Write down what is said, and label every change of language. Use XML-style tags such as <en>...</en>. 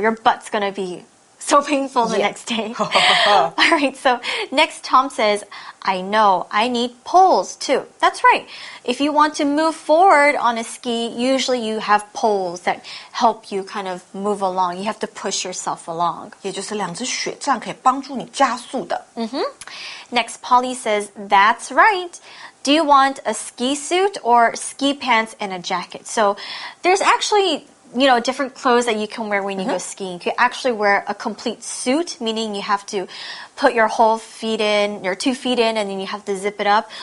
<en>Your butt's gonna be so painful the next day. All right. So next, Tom says, "I know. I need poles too. That's right. If you want to move forward on a ski, usually you have poles that help you kind of move along. You have to push yourself along.</en> <zh>也就是两只雪杖可以帮助你加速的。</zh> <en>Mm-hmm. Next, Polly says, "That's right." Do you want a ski suit or ski pants and a jacket? So there's actually, you know, different clothes that you can wear when you go skiing. You can actually wear a complete suit, meaning you have to put your whole feet in, your 2 feet in, and then you have to zip it up.</en>